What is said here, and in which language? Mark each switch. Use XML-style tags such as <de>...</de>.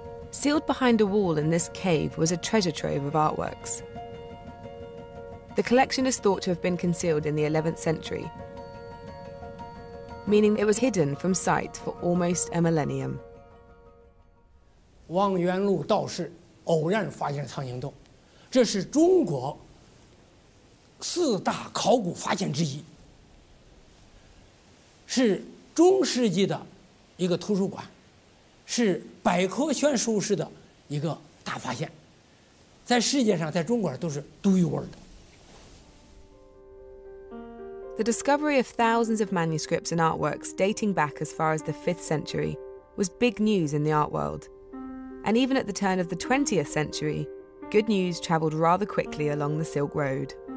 <en>Sealed behind a wall in this cave was a treasure trove of artworks. The collection is thought to have been concealed in the 11th century, meaning it was hidden from sight for almost a millennium.</en> <zh>Wang Yuanlu 道士偶然发现了苍蝇洞，这是中国四大考古发现之一，是中世纪的一个图书馆，是百科全书式的一个大发现，在世界上，在中国都是独一无二的。</zh> <en>The discovery of thousands of manuscripts and artworks dating back as far as the 5th century was big news in the art world. And even at the turn of the 20th century, good news travelled rather quickly along the Silk Road.</en>